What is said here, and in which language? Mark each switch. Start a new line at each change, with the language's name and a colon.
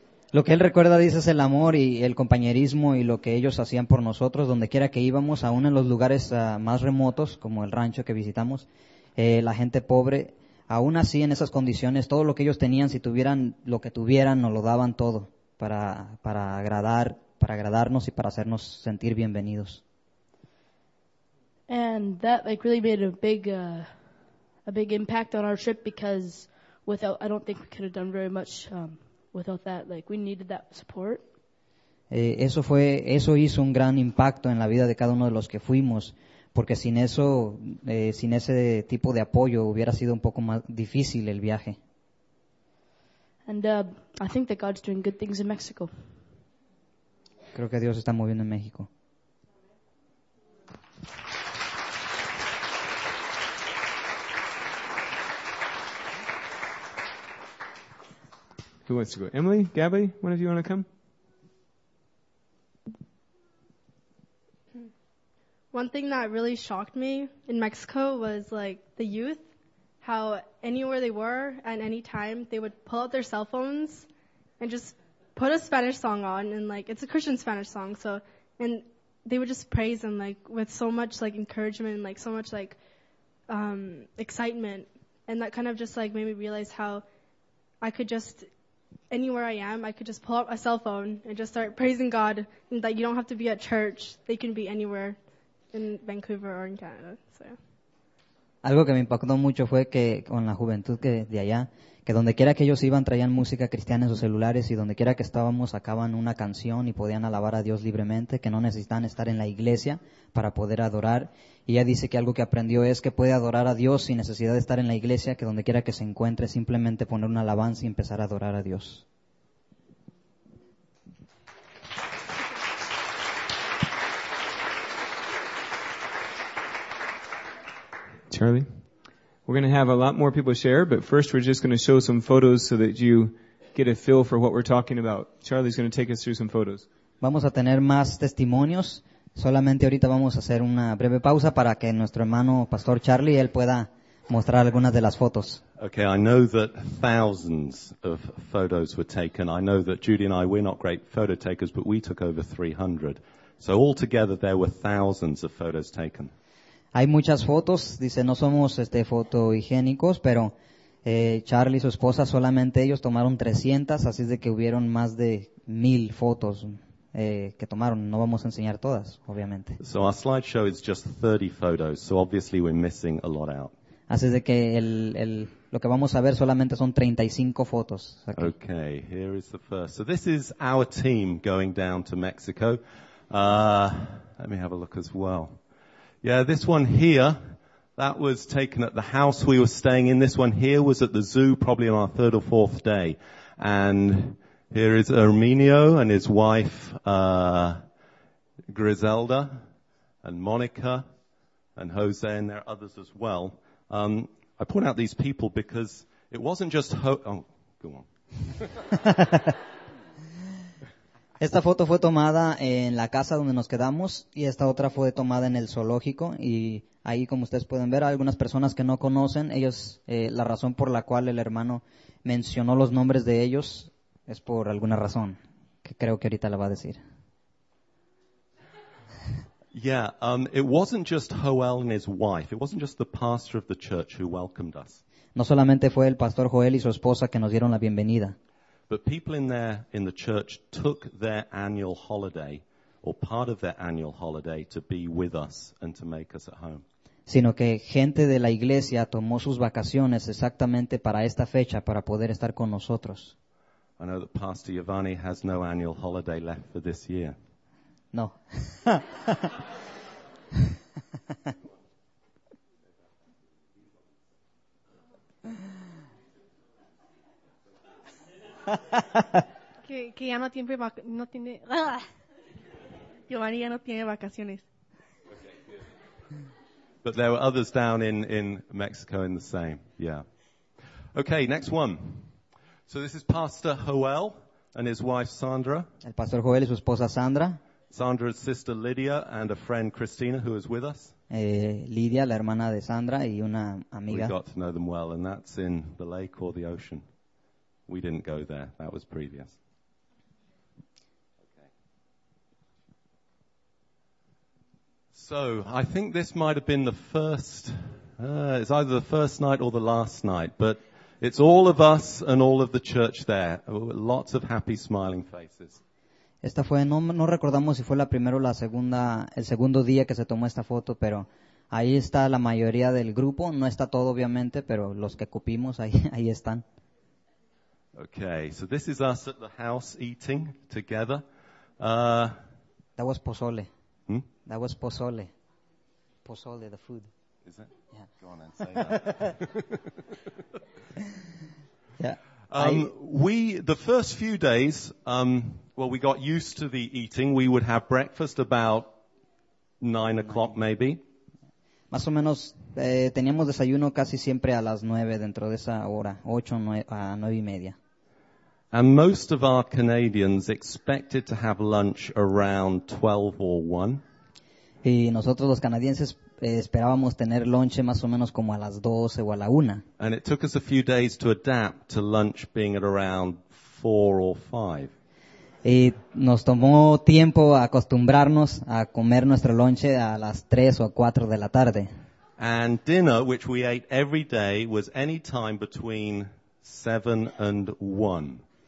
Spanish: Lo que él recuerda, dice, es el amor y el compañerismo y lo que ellos hacían por nosotros, donde quiera que íbamos, aún en los lugares más remotos, como el rancho que visitamos, la gente pobre. Aún así, en esas condiciones, todo lo que ellos tenían, si tuvieran lo que tuvieran, nos lo daban todo para agradarnos y para hacernos sentir bienvenidos.
English: And that like really made a big impact on our trip, because without, I don't think we could have done very much without that. Like, we needed that support.
Spanish: Eso hizo un gran impacto en la vida de cada uno de los que fuimos. Porque sin eso, sin ese tipo de apoyo, hubiera sido un poco más difícil el viaje.
English: And I think that God's doing good things in Mexico.
Spanish: Creo que Dios está moviendo en México.
English: Who wants to go? Emily, Gabby, one of you want to come? One thing that really shocked me in Mexico was like the youth, how anywhere they were at any time, they would pull out their cell phones and just put a Spanish song on, and like it's a Christian Spanish song, so, and they would just praise and like with so much like encouragement and like so much like excitement, and that kind of just like made me realize how I could just, anywhere I am, I could just pull out a cell phone and just start praising God, and that you don't have to be at church, they can be anywhere. In Vancouver or in Canada. So.
Spanish: Algo que me impactó mucho fue que con la juventud que de allá, que donde quiera que ellos iban traían música cristiana en sus celulares, y donde quiera que estábamos sacaban una canción y podían alabar a Dios libremente, que no necesitaban estar en la iglesia para poder adorar. Y ella dice que algo que aprendió es que puede adorar a Dios sin necesidad de estar en la iglesia, que donde quiera que se encuentre simplemente poner una alabanza y empezar a adorar a Dios.
English: Charlie, we're going to have a lot more people share, but first we're just going to show some photos so that you get a feel for what we're talking about. Charlie's going to take us through some photos.
Spanish: Vamos a tener más testimonios. Solamente ahorita vamos a hacer una breve pausa para que nuestro hermano Pastor Charlie él pueda mostrar algunas de las fotos.
English: Okay, I know that thousands of photos were taken. I know that Judy and I, we're not great photo takers, but we took over 300. So altogether there were thousands of photos taken.
Spanish: Hay muchas fotos, dice, no somos fotohigiénicos, pero Charlie y su esposa, solamente ellos tomaron 300, así es de que hubieron más de 1,000 fotos, que tomaron. No vamos a enseñar todas, obviamente.
English: So our slideshow is just 30 photos, so obviously we're missing a lot out.
Spanish: Así es de que lo que vamos a ver solamente son 35 fotos. Aquí.
English: Okay, here is the first. So this is our team going down to Mexico. Let me have a look as well. Yeah, this one here, that was taken at the house we were staying in. This one here was at the zoo, probably on our third or fourth day. And here is Herminio and his wife, Griselda, and Monica, and Jose, and there are others as well. I point out these people because it wasn't just go on.
Spanish: Esta foto fue tomada en la casa donde nos quedamos y esta otra fue tomada en el zoológico y ahí, como ustedes pueden ver, algunas personas que no conocen, ellos, la razón por la cual el hermano mencionó los nombres de ellos es por alguna razón que creo que ahorita la va a decir.
English: Yeah, it wasn't just Joel and his wife. It wasn't just the pastor of the church who welcomed us.
Spanish: No solamente fue el pastor Joel y su esposa que nos dieron la bienvenida.
English: But people in the church took their annual holiday or part of their annual holiday to be with us and to make us at home.
Spanish: Sino que gente de la iglesia tomó sus vacaciones exactamente para esta fecha para poder estar con nosotros.
English: I know that Pastor Giovanni has no annual holiday left for this year.
Spanish: No. que ya no tiene Giovanni ya no tiene vacaciones.
English: But there were others down in Mexico in the same. Yeah. Okay, next one. So this is Pastor Joel and his wife Sandra.
Spanish: El pastor Joel y su esposa Sandra.
English: Sandra's sister Lydia and a friend Christina who is with us.
Spanish: Lydia, la hermana de Sandra y una amiga.
English: We got to know them well, and that's in the lake or the ocean. We didn't go there. That was previous. Okay. So, I think this might have been the first, it's either the first night or the last night, but it's all of us and all of the church there. Lots of happy, smiling faces.
Spanish: Esta fue, no recordamos si fue la primera o la segunda, el segundo día que se tomó esta foto, pero ahí está la mayoría del grupo. No está todo, obviamente, pero los que cupimos, ahí están.
English: Okay, so this is us at the house eating together. That was pozole. Hmm? That was pozole. Pozole, the food. Is it? Yeah. Go on and say that. Yeah. The first few days, well, we got used to the eating. We would have breakfast about 9 o'clock, maybe.
Spanish: Más o menos teníamos desayuno casi siempre a las 9 dentro de esa hora, 8 a 9 y media.
English: And most of our Canadians expected to have lunch around 12 or 1.
Spanish: Y nosotros los canadienses esperábamos tener lunch más o menos como a las 12 o a la 1.
English: And it took us a few days to adapt to lunch being at around 4 or 5.
Spanish: Y nos tomó tiempo acostumbrarnos a comer nuestro lonche a las 3 o 4 de la tarde.
English: And dinner, which we ate every day, was any time between 7 and 1.